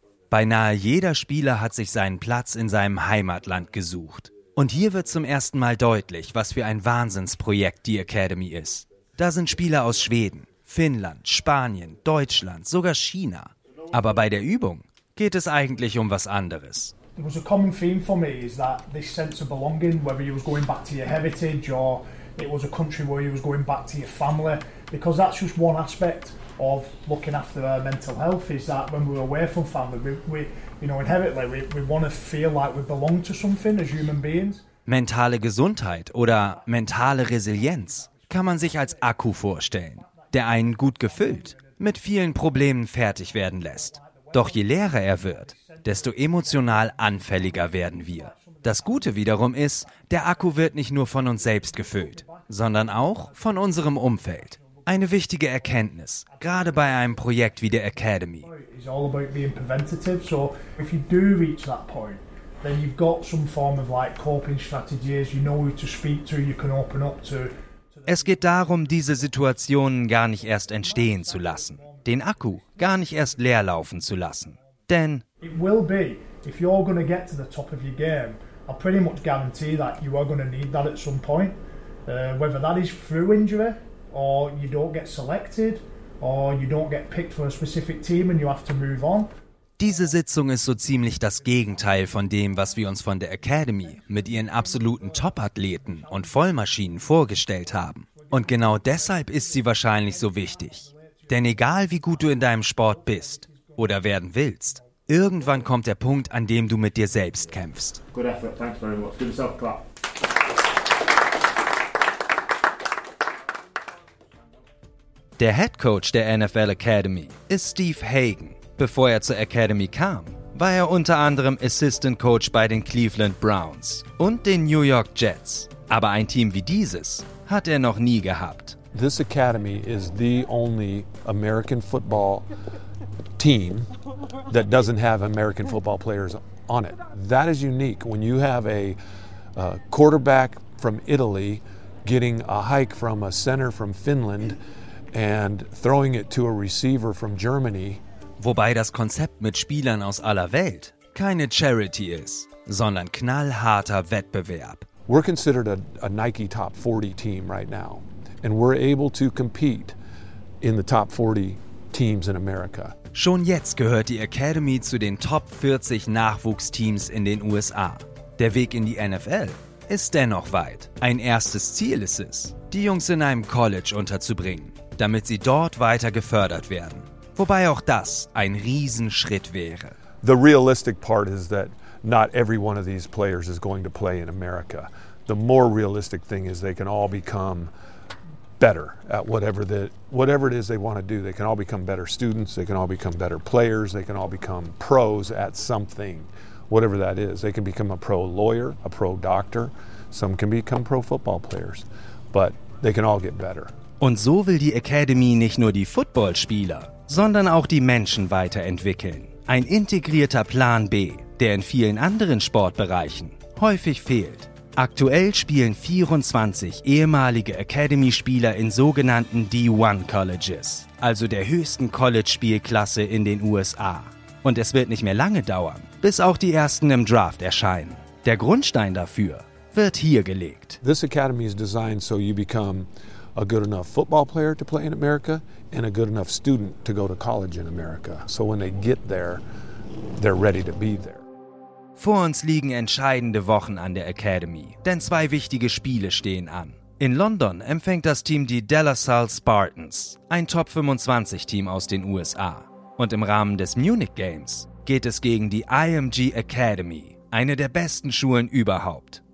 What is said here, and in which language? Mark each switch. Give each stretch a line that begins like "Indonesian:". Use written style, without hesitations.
German: Beinahe jeder Spieler hat sich seinen Platz in seinem Heimatland gesucht. Und hier wird zum ersten Mal deutlich, was für ein Wahnsinnsprojekt die Academy ist. Da sind Spieler aus Schweden, Finnland, Spanien, Deutschland, sogar China. Aber bei der Übung geht es eigentlich um was anderes.
English: There was a common theme for me is that this sense of belonging, whether you was going back to your heritage or it was a country where you was going back to your family, because that's just one aspect of looking after our mental health, is that when we're away from family, we want to feel like we belong to something as human beings.
German: Mentale Gesundheit oder mentale Resilienz kann man sich als Akku vorstellen, der einen gut gefüllt, mit vielen Problemen fertig werden lässt. Doch je leerer er wird, desto emotional anfälliger werden wir. Das Gute wiederum ist, der Akku wird nicht nur von uns selbst gefüllt, sondern auch von unserem Umfeld. Eine wichtige Erkenntnis, gerade bei einem Projekt wie der Academy.
English: It's all about being preventative. So if you do reach that point, then you've got some form of like coping strategies. You know who to speak to. You can open up to.
German: Es geht darum, diese Situationen gar nicht erst entstehen zu lassen, den Akku gar nicht erst leer laufen zu lassen. Denn
English: it will be if you're going to get to the top of your game. I pretty much guarantee that you are going to need that at some point, whether that is through injury. Or you don't get selected, or you don't get picked for a specific team and you have to move on.
German: Diese Sitzung ist so ziemlich das Gegenteil von dem, was wir uns von der Academy mit ihren absoluten Top-Athleten und Vollmaschinen vorgestellt haben. Und genau deshalb ist sie wahrscheinlich so wichtig. Denn egal wie gut du in deinem Sport bist oder werden willst, irgendwann kommt der Punkt, an dem du mit dir selbst kämpfst.
English: Good effort, thanks very much. Give yourself a clap.
German: Der Head Coach der NFL Academy ist Steve Hagen. Bevor er zur Academy kam, war er unter anderem Assistant Coach bei den Cleveland Browns und den New York Jets. Aber ein Team wie dieses hat er noch nie gehabt.
English: This Academy is the only American football team that doesn't have American football players on it. That is unique. When you have a quarterback from Italy getting a hike from a center from Finland and throwing it to a receiver from Germany.
German: Wobei das Konzept mit Spielern aus aller Welt keine Charity ist, sondern knallharter Wettbewerb.
English: We're considered a Nike top 40 team right now, and we're able to compete in the top 40 teams in America.
German: Schon jetzt gehört die Academy zu den Top 40 Nachwuchsteams in den USA. Der Weg in die NFL ist dennoch weit. Ein erstes Ziel ist es, die Jungs in einem College unterzubringen, damit sie dort weiter gefördert werden. Wobei auch das ein Riesenschritt wäre.
English: The realistic part is that not every one of these players is going to play in America. The more realistic thing is they can all become better at whatever it is they want to do. They can all become better students, they can all become better players, they can all become pros at something, whatever that is. They can become a pro lawyer, a pro doctor, some can become pro football players, but they can all get better.
German: Und so will die Academy nicht nur die Footballspieler, sondern auch die Menschen weiterentwickeln. Ein integrierter Plan B, der in vielen anderen Sportbereichen häufig fehlt. Aktuell spielen 24 ehemalige Academy-Spieler in sogenannten D1-Colleges, also der höchsten College-Spielklasse in den USA. Und es wird nicht mehr lange dauern, bis auch die ersten im Draft erscheinen. Der Grundstein dafür wird hier gelegt.
English: This Academy is designed so you become a good enough football player to play in America and a good enough student to go to college in America. So when they get there, they're ready to be there.
German: Vor uns liegen entscheidende Wochen an der Academy, denn zwei wichtige Spiele stehen an. In London empfängt das Team die De La Salle Spartans, ein Top 25 Team aus den USA. Und im Rahmen des Munich Games geht es gegen die IMG Academy, eine der besten Schulen überhaupt.